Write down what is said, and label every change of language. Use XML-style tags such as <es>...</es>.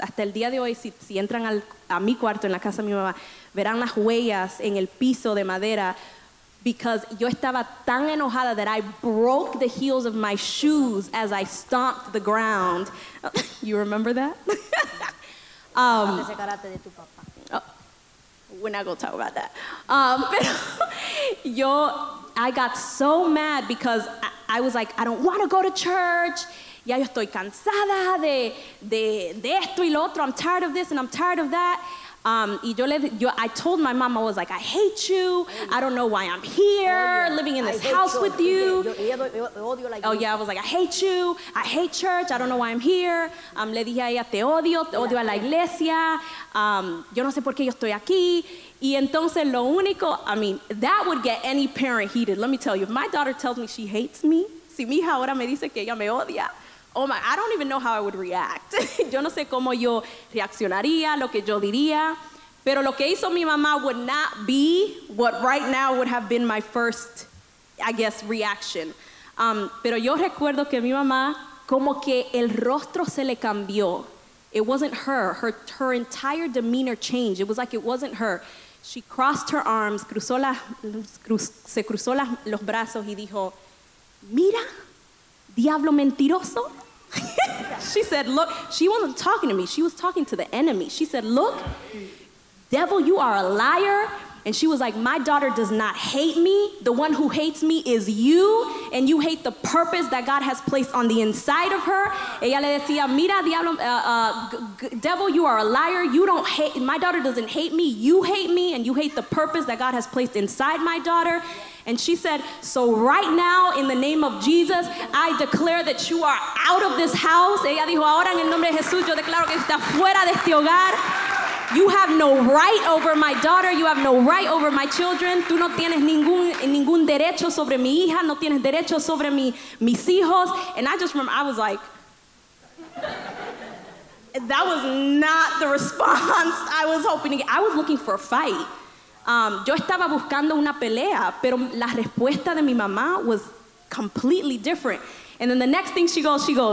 <es>Hasta el día de hoy, si entran a mi cuarto en la casa de mi mamá, verán las huellas en el piso de madera,</es> <en>because</en> <es>yo estaba tan enojada</es> <en>that I broke the heels of my shoes as I stomped the ground. You remember that? we're not going to talk about that. I got so mad because I was like, I don't want to go to church.</en> <es>Ya yo estoy cansada de esto y lo otro.</es> <en>I'm tired of this and I'm tired of that. I told my mom, I was like, I hate you. I don't know why I'm here living in this house with you. Oh yeah, I was like, I hate you. I hate church. I don't know why I'm here.</en> <es>Le dije a ella, te odio. Te odio a la iglesia. Yo no sé por qué yo estoy aquí. Y entonces lo único,</es> <en>that would get any parent heated. Let me tell you, if my daughter tells me she hates me,</en> <es>si mi hija ahora me dice que ella me odia,</es> <en>oh my, I don't even know how I would react.</en> <es>Yo no sé cómo yo reaccionaría, lo que yo diría. Pero lo que hizo mi mamá</es> <en>would not be what right now would have been my first, I guess, reaction.</en> <es>Pero yo recuerdo que mi mamá, como que el rostro se le cambió.</es> <en>It wasn't her. Her entire demeanor changed. It was like it wasn't her. She crossed her arms,</en> <es>cruzó los brazos y dijo, mira, diablo mentiroso.</es> <en>She said, look, she wasn't talking to me. She was talking to the enemy. She said, look, devil, you are a liar. And she was like, my daughter does not hate me. The one who hates me is you. And you hate the purpose that God has placed on the inside of her.</en> <es>Ella le decía, mira, diablo,</es> <en>devil, you are a liar. You don't hate, my daughter doesn't hate me. You hate me. And you hate the purpose that God has placed inside my daughter. And she said, so right now, in the name of Jesus, I declare that you are out of this house.</en> <es>Ella dijo, ahora en el nombre de Jesús, yo declaro que está fuera de este hogar.</es> <en>You have no right over my daughter. You have no right over my children.</en> <es>Tú no tienes ningún derecho sobre mi hija. No tienes derecho sobre mis hijos.</es> <en>And I just remember, I was like, that was not the response I was hoping to get. I was looking for a fight.</en> <es>Yo estaba buscando una pelea, pero la respuesta de mi mamá</es> <en>was completely different. And then the next thing she goes,</en>